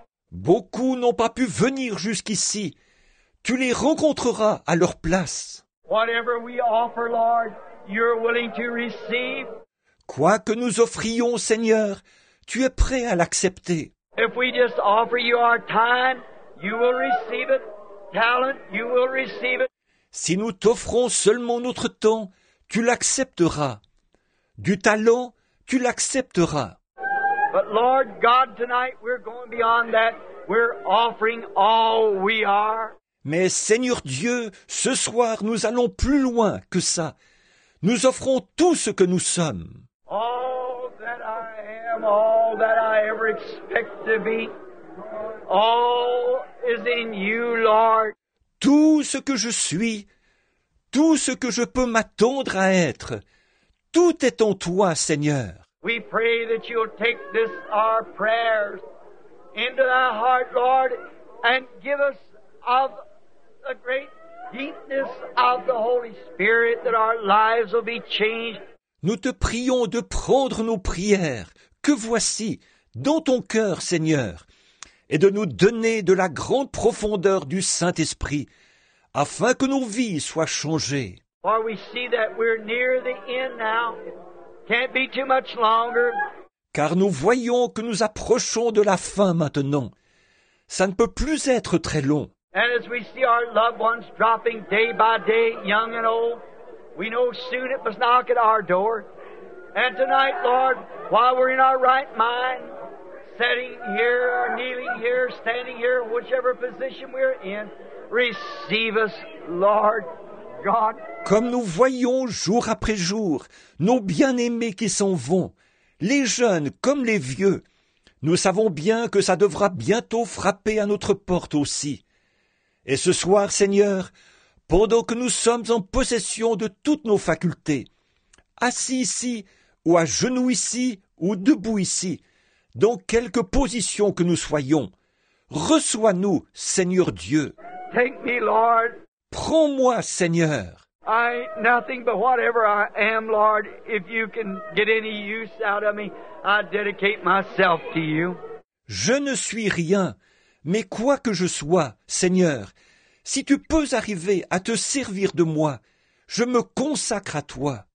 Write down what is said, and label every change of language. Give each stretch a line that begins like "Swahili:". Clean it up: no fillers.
French: Beaucoup n'ont pas pu venir jusqu'ici. Tu les rencontreras à leur place.
English: Whatever we offer, Lord, you're willing to receive.
French: Quoi que nous offrions, Seigneur, tu es prêt à l'accepter.
English: If we just offer you our time, you will receive it. Talent, you will receive it.
French: Si nous t'offrons seulement notre temps, tu l'accepteras. Du talent, tu l'accepteras.
English: But Lord God, tonight we're going beyond that. We're offering all we are.
French: Mais Seigneur Dieu, ce soir nous allons plus loin que ça. Nous offrons tout ce que nous sommes.
English: All that I am, all that I ever expect to be, all is in you, Lord.
French: Tout ce que je suis, tout ce que je peux m'attendre à être, tout est en toi, Seigneur.
English: We pray that you'll take this, our prayers, into thy heart, Lord, and give us of the great deepness of the Holy Spirit that our lives will be changed.
French: Nous te prions de prendre nos prières que voici dans ton cœur, Seigneur, et de nous donner de la grande profondeur du Saint-Esprit, afin que nos vies soient changées.
English: For we see that we're near the end now. Can't be too much longer.
French: Car nous voyons que nous approchons de la fin maintenant. Ça ne peut plus être très long.
English: And as we see our loved ones dropping day by day, young and old, we know soon it must knock at our door. And tonight, Lord, while we're in our right mind, sitting here, or kneeling here, standing here, whichever position we're in, receive us, Lord God.
French: Comme nous voyons jour après jour nos bien-aimés qui s'en vont, les jeunes comme les vieux, nous savons bien que ça devra bientôt frapper à notre porte aussi. Et ce soir, Seigneur, pendant que nous sommes en possession de toutes nos facultés, assis ici, ou à genoux ici, ou debout ici, dans quelque position que nous soyons, reçois-nous, Seigneur Dieu.
English: Take me, Lord.
French: Prends-moi, Seigneur.
English: I ain't nothing but whatever I am, Lord. If you can get any use out of me, I dedicate myself to you.
French: Je ne suis rien, mais quoi que je sois, Seigneur, si tu peux arriver à te servir de moi, je me consacre à toi.